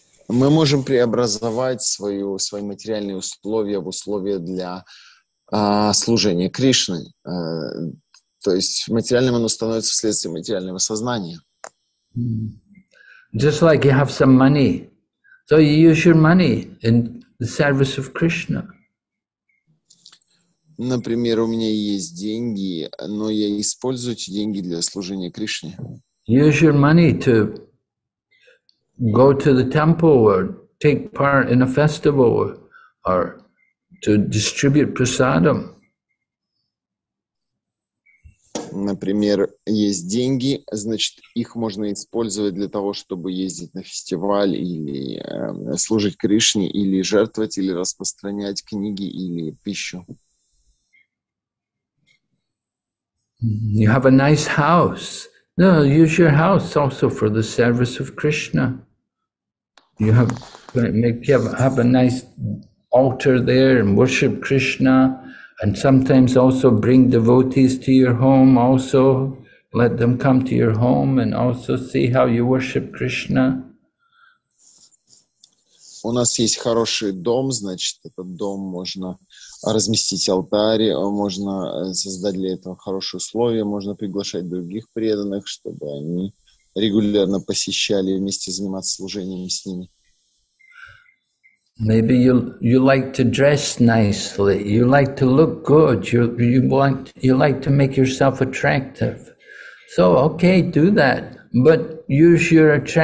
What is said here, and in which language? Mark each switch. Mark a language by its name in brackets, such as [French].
[Russian] Мы можем преобразовать свои материальные условия в условия для служения Кришне. То есть материальным оно становится вследствие материального сознания. [English] Just like you have some money, so you use your money in the service of Krishna. [Russian] Например, у меня есть деньги, но я использую эти деньги для служения Кришне. [English] Use your money to go to the temple or take part in a festival or to distribute prasadam. [Russian] Например, есть деньги, значит, их можно использовать для того, чтобы ездить на фестиваль или служить Кришне, или жертвовать, или распространять книги, или пищу. [English] You have a nice house. No, use your house also for the service of Krishna. You have a nice altar there and worship Krishna. And sometimes also bring devotees to your home also. Let them come to your home and also see how you worship Krishna. [Russian] У нас есть хороший дом, значит, этот дом можно разместить алтарь, можно создать для этого хорошие условия, можно приглашать других преданных, чтобы они регулярно посещали вместе заниматься служением с ними. [English] Maybe you like to dress nicely, you like to look good, you like to make yourself attractive. So okay, do that, but use your